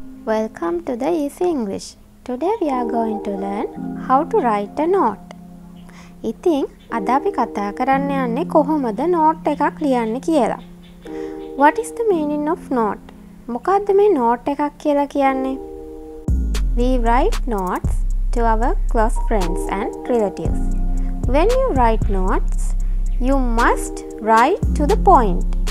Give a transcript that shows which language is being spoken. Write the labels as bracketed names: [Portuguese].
[English] Welcome to the Easy English. Today we are going to learn how to write a note. [Sinhala] ඉතින් අද අපි කතා කරන්න යන්නේ කොහොමද note එකක් ලියන්නේ කියලා. [English] What is the meaning of note? [Sinhala] මොකද්ද මේ note එකක් කියලා කියන්නේ? [English] We write notes to our close friends and relatives. When you write notes, you must write to the point.